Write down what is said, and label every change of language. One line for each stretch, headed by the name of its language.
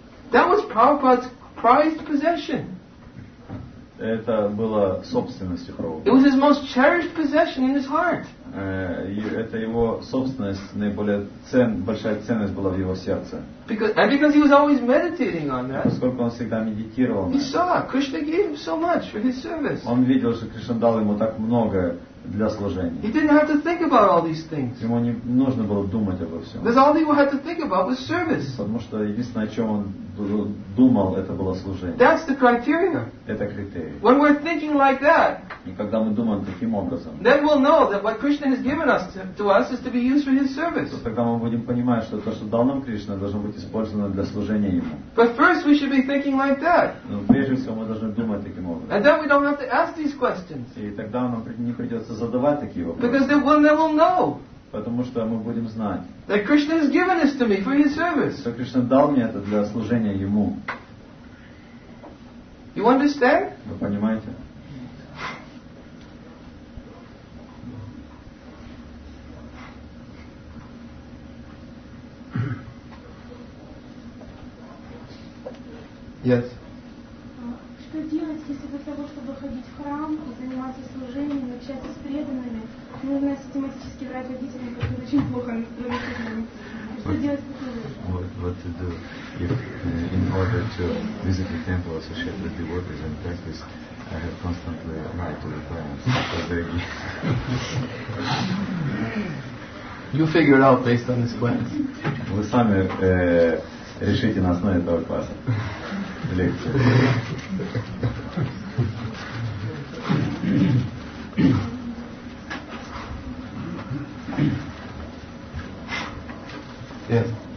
English: That was Prabhupada's prized possession.
Russian: Это было собственностью Прабхупады.
English: It was his most cherished possession in his heart.
Russian: Это его собственность, наиболее большая ценность была в его сердце.
English: Because he was always meditating on that.
Russian: Поскольку он всегда медитировал.
English: He saw Krishna gave him so much for his service.
Russian: Он видел, что Кришна дал ему так много для служения.
English: He didn't have to think about all these things.
Russian: Ему не нужно было думать обо всем.
English: Because all he had to think about was service.
Russian: Потому что единственное, о чем он думал, это было служение.
English: That's the criteria.
Russian: Это критерий.
English: When we're thinking like that.
Russian: И когда мы думаем таким образом.
English: Then we'll know that what Krishna has given us to us is to be used for His service.
Russian: Тогда мы будем понимать, что то, что дал нам Кришна, должно быть использовано для служения Ему.
English: But first we should be thinking like that.
Russian: Но прежде всего мы должны думать таким образом.
English: And then we don't have to ask these questions.
Russian: И тогда нам не придется задавать такие вопросы.
English: Because then we'll know.
Russian: Потому что мы будем знать.
English: That Krishna has given this to me for His service.
Russian: Что Кришна дал мне это для служения Ему.
English: You understand?
Russian: Вы понимаете?
English: Yes.
Russian: Что делать, если для того, чтобы ходить в храм и заниматься служением, общаться с преданными, нужно систематически врать родителям, которые очень плохо настроены к нам?
English: What to do if, in order to visit the temple, associate with devotees and practice, I have constantly lied to the parents because they give. You figure it out based on this class.
Russian: Вы сами решите на основе этого класса. Лекция.